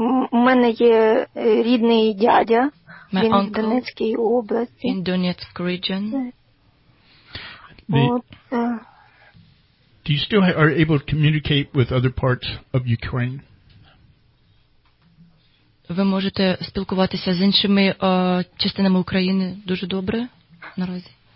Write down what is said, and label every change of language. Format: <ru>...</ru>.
<uk>У мене є рідний дядя, він в Донецькій області.</uk> <en>In Donetsk region. Do you still are able to communicate with other parts of Ukraine?</en> <uk>Ви можете спілкуватися з іншими частинами України дуже добре наразі?</uk>